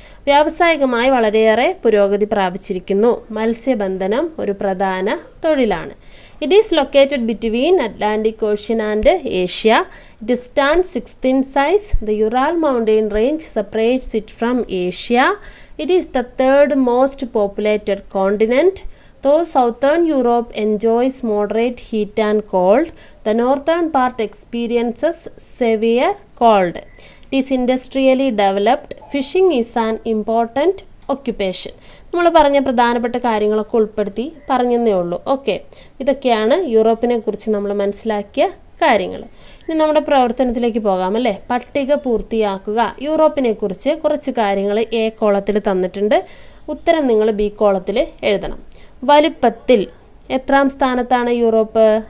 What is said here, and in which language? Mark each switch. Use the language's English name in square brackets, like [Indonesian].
[Malayalam] വ്യാവസായികമായി വളരെയേറെ പുരോഗതി പ്രാപിച്ചിരിക്കുന്നു. മത്സ്യബന്ധനം ഒരു പ്രധാന തൊഴിലാണ്. [English] It is located between Atlantic ocean and Asia. It stand 16 size. The Ural mountain range separates it from Asia. It is the third most populated continent. Though southern Europe enjoys moderate heat and cold, the northern part experiences severe cold. It is industrially developed. Fishing is an important occupation. [Malayalam] നമ്മൾ പറഞ്ഞ പ്രധാനപ്പെട്ട കാര്യങ്ങളൊക്കെ ഉൾപ്പെടുത്തി പറഞ്ഞെന്നേ ഉള്ളൂ. Okay, ഇതൊക്കെയാണ് യൂറോപ്പിനെ കുറിച്ച് നമ്മൾ മനസ്സിലാക്കിയ കാര്യങ്ങൾ. ഇനി നമ്മുടെ പ്രവർത്തനത്തിലേക്ക് പോകാം അല്ലേ. പട്ടിക പൂർത്തിയാക്കുക. യൂറോപ്പിനെ കുറിച്ച് കുറച്ച് കാര്യങ്ങൾ എ കോളത്തിൽ തന്നിട്ടുണ്ട്. ഉത്തരം നിങ്ങൾ ബി കോളത്തിൽ എഴുതണം. വലിപ്പത്തിൽ 8ാം സ്ഥാനത്താണ് യൂറോപ്പ്.